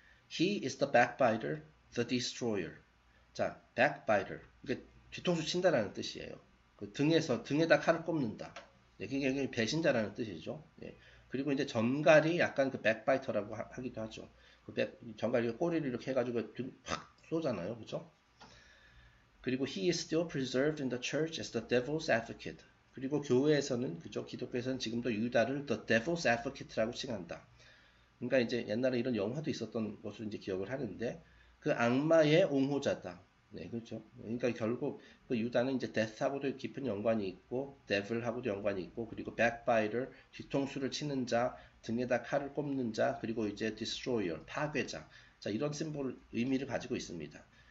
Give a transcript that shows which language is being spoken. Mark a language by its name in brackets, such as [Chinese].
[English] He is the backbiter, the destroyer. 자, backbiter. [Korean] 이게 뒤통수 친다라는 뜻이에요. 그 등에서, 등에다 칼을 꼽는다. 네, 그게 배신자라는 뜻이죠. 네. 그리고 이제 전갈이 약간 그 백바이터라고 하기도 하죠. 그 전갈이 꼬리를 이렇게 해가지고 확 쏘잖아요. 그죠? [English] 그리고 he is still preserved in the church as the devil's advocate. [Korean] 그리고 교회에서는, 그죠? 기독교에서는 지금도 유다를 the devil's advocate라고 칭한다. 그러니까 이제 옛날에 이런 영화도 있었던 것으로 이제 기억을 하는데, 그 악마의 옹호자다. 네, 그렇죠. 그러니까 결국 그 유다는 이제 데스하고도 깊은 연관이 있고, 데블하고도 연관이 있고, 그리고 백바이터, 뒤통수를 치는 자, 등에다 칼을 꼽는 자, 그리고 이제 디스트로이어, 파괴자. 자, 이런 심볼 의미를 가지고 있습니다.